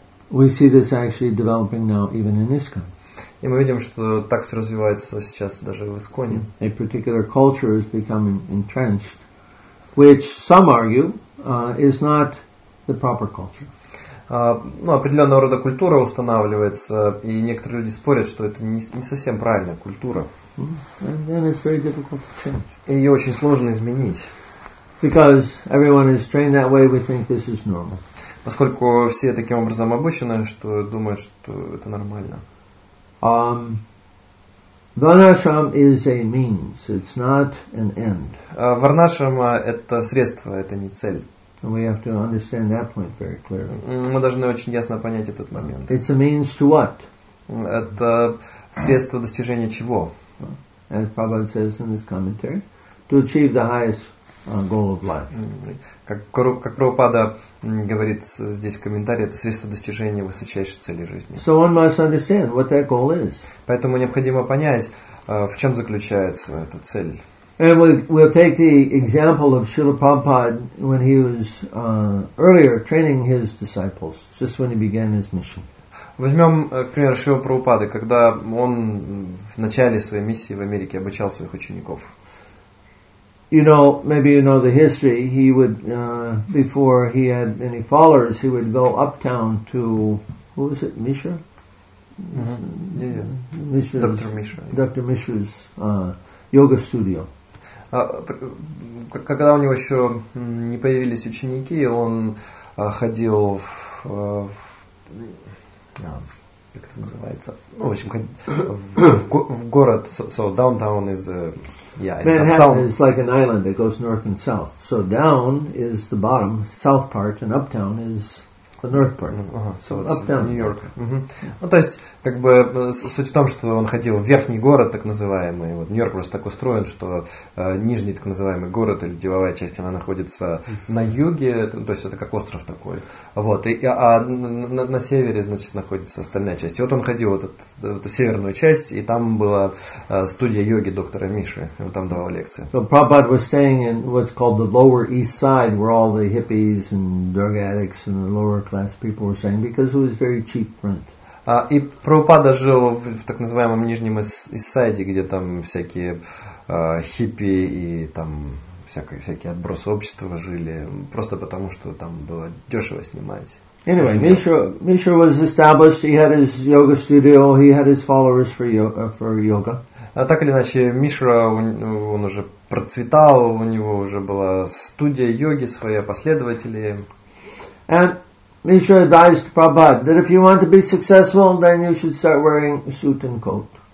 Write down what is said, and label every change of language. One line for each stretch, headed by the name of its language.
English: We see this actually developing now even in ISKCON.
Russian: И мы видим, что так все развивается сейчас даже в ИСКОНе.
English: A particular culture is becoming entrenched, which some argue is not the proper culture.
Russian: Определенного рода культура устанавливается, и некоторые люди спорят, что это не совсем правильная культура.
English: And then it's very difficult to change.
Russian: И ее очень сложно изменить.
English: Because everyone is trained that way, we think this is normal.
Russian: Поскольку все таким образом обучены, что думают, что это нормально.
English: Варнашрама is a means, it's not an end.
Russian: Варнашрама это средство, это не цель.
English: We have to understand that point very clearly.
Russian: Мы должны очень ясно понять этот момент.
English: It's a means to what?
Russian: Это средство достижения чего?
English: As Prabhupada says in his commentary, to achieve the highest goal of life.
Russian: Как Прабхупада говорит здесь в комментарии, это средство достижения высочайшей цели жизни.
English: So one must understand what that goal is.
Russian: Поэтому необходимо понять, в чем заключается эта цель.
English: And we'll take the example of Srila Prabhupada when he was earlier training his disciples, just when he began his mission.
Russian: Возьмем, к примеру, Шрила Прабхупады, когда он в начале своей миссии в Америке обучал своих учеников.
English: You know, maybe you know the history. He would, before he had any followers, he would go uptown to, who was it, Mishra? Mm-hmm. Yeah, Dr. Mishra. Dr. Mishra's yoga studio.
Russian: Когда у него еще не появились ученики, он ходил в... как это называется? Ну, в общем, в город,
English: so downtown is Manhattan is like an island that goes north and south. So down is the bottom, south part, and uptown is the north part. Uptown, New York. Mm-hmm.
Russian: Ну, то есть, как бы, суть в том, что он ходил в верхний город, так называемый. Вот Нью-Йорк просто так устроен, что нижний, так называемый, город или деловая часть, она находится на юге, то есть это как остров такой. Вот, на севере, значит, находится остальная часть. И вот он ходил в эту северную часть, и там была студия йоги доктора Миши, он там давал лекции.
English: So Prabhupada was staying in what's called the Lower East Side, where all the hippies and drug addicts and the lower class people were staying, because it was very cheap rent.
Russian: И Прабхупада жил в так называемом нижнем Ист-Сайде, где там всякие хиппи и там всякие отбросы общества жили, просто потому что там было дешево снимать.
English: Anyway, Mishra was established, he had his yoga studio, he had his followers for yoga.
Russian: Так или иначе, Мишра, он уже процветал, у него уже была студия йоги, свои последователи.
English: And Mishra advised Prabhupada that if you want to be successful, then you should start wearing a suit and coat.